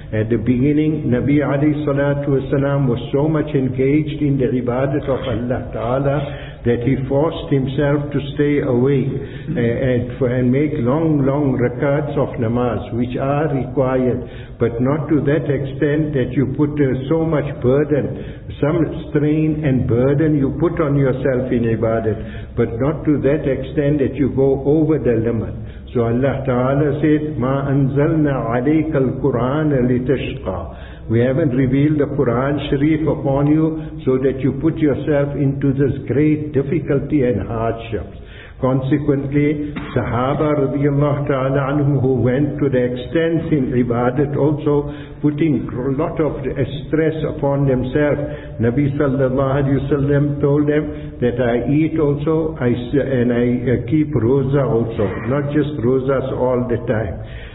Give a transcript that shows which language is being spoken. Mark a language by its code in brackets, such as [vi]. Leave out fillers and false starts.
[en] At the beginning, Nabi alayhi salatu wasalam was so much engaged in the ibadat of Allah Ta'ala that he forced himself to stay awake and make long, long rakats of namaz, which are required, but not to that extent that you put so much burden, some strain and burden you put on yourself in ibadat, but not to that extent that you go over the limit. [ar] So Allah Ta'ala said, مَا أَنزَلْنَا عَلَيْكَ الْقُرْآنَ لِتَشْقَى. [en] We haven't revealed the Quran Sharif upon you so that you put yourself into this great difficulty and hardships. Consequently, Sahaba radiallahu ta'ala anhum, who went to the extent in ibadat also, putting a lot of stress upon themselves, Nabi sallallahu alayhi wasallam told them that I eat also, I keep roza also, not just rozas all the time.